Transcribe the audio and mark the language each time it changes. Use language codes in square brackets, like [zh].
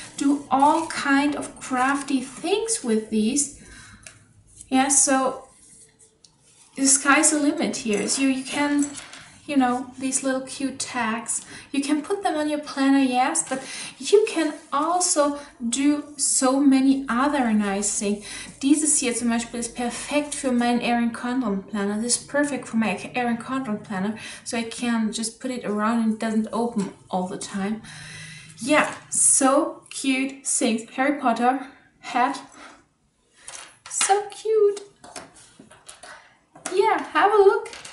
[en] do all kind of crafty things with these. Yeah, so the sky's the limit here. So you can, you know, these little cute tags, you can put them on your planner, yes, but you can also do so many other nice things. [de] Dieses hier zum Beispiel ist perfekt für meinen Erin Condon Planner. [en] This is perfect for my Erin Condon Planner. So I can just put it around and it doesn't open all the time. Yeah, so cute things. Harry Potter hat. So cute. Yeah, have a look.